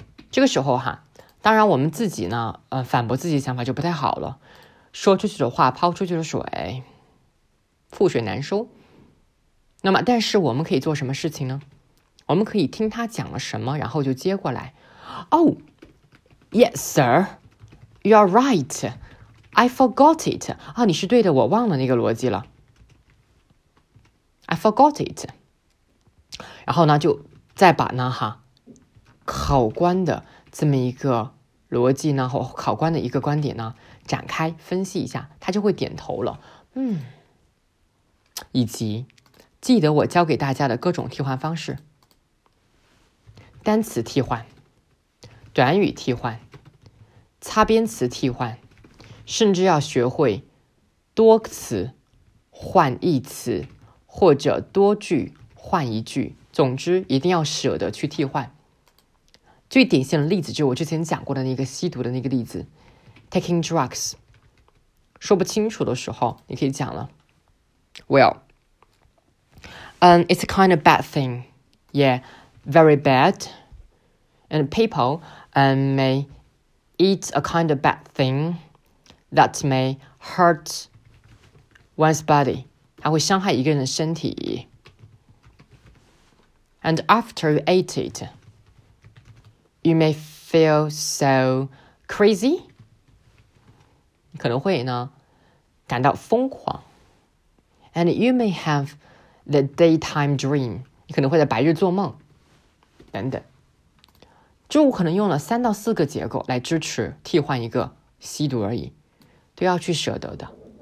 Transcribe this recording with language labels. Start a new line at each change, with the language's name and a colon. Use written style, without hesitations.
Chinese: 这个时候哈，当然我们自己呢反驳自己的想法就不太好了，说出去的话抛出去的水覆水难收。那么但是我们可以做什么事情呢？我们可以听他讲了什么然后就接过来。
English: Oh, yes, sir, you are right, I forgot it.
Chinese: 啊，你是对的，我忘了那个逻辑了。
English: I forgot it.
Chinese: 然后呢就再把呢哈考官的这么一个逻辑呢和考官的一个观点呢展开分析一下，他就会点头了。以及记得我教给大家的各种替换方式，单词替换，短语替换，擦边词替换，甚至要学会多词换一词或者多句换一句，总之一定要舍得去替换。最典型的例子就是我之前讲过的那个吸毒的那个例子 Taking drugs， 说不清楚的时候你可以讲了
English: Well,it's a kind of bad thing. Yeah, very bad. And people may eat a kind of bad thing that may hurt one's body.
Chinese: 它会伤害一个人的身体。
English: And after you ate it, you may feel so crazy.
Chinese: 可能会呢感到疯狂。
English: And you may have the daytime dream，
Chinese: 你可能会在白日做梦等等。就我可能用了三到四个结构来支持替换一个吸毒而已，都要去舍得的。